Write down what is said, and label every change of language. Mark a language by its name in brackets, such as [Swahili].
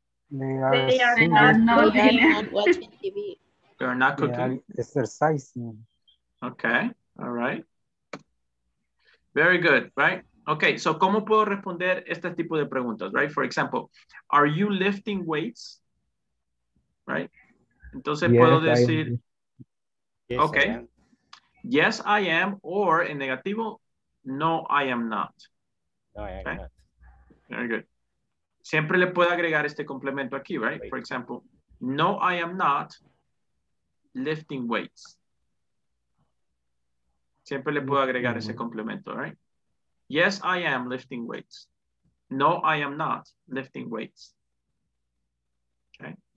[English] They are not cooking. They are exercising. Okay, all right, very good, right? Okay, [Spanish] so ¿cómo puedo responder este tipo de preguntas, right? [English] For example, are you lifting weights, right? [Spanish] Entonces [English] yes, [Spanish] puedo decir [English] yes, I am, or [Spanish] en negativo, [English] no, I am not. Very good. [Spanish] Siempre le puedo agregar este complemento aquí, right? [English] For example, no, I am not lifting weights. [Spanish] Siempre le puedo agregar ese complemento, right? [English] Yes, I am lifting weights. No, I am not lifting weights. Okay.